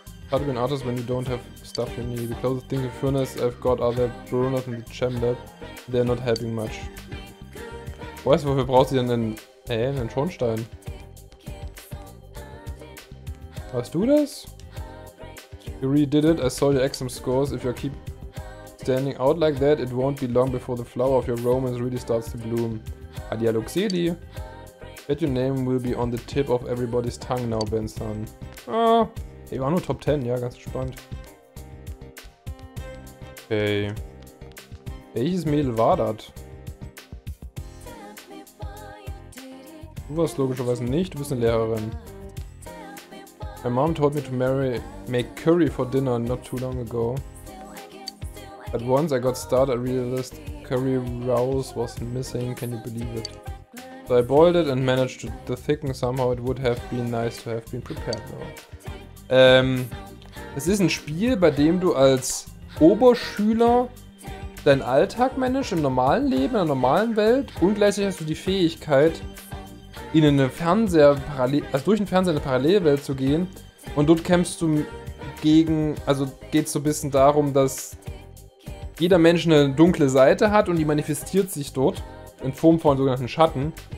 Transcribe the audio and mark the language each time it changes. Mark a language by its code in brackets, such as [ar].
[en] How to be an artist when you don't have stuff you need. The closest thing to furnace I've got are the burners in the gem lab. They're not helping much. [de] Weißt du, wofür brauchst du denn einen Schornstein? Hast du das? [en] You really did it. I saw your exam scores. If you keep standing out like that, it won't be long before the flower of your romance really starts to bloom. Adialoxidi. Bet your name will be on the tip of everybody's tongue now, Benson. Ah. [de] Ey, war nur Top 10, ja, ganz gespannt. Okay. Welches Mädel war das? Du warst logischerweise nicht, du bist eine Lehrerin. [en] My mom told me to make curry for dinner not too long ago. But once I got started, I realized curry rice was missing, can you believe it? So I boiled it and managed to thicken somehow, it would have been nice to have been prepared though. [de] Es ist ein Spiel, bei dem du als Oberschüler deinen Alltag managst im normalen Leben, in der normalen Welt und gleichzeitig hast du die Fähigkeit, in eine durch den Fernseher in eine Parallelwelt zu gehen und dort kämpfst du gegen, also geht es so ein bisschen darum, dass jeder Mensch eine dunkle Seite hat und die manifestiert sich dort in Form von sogenannten Schatten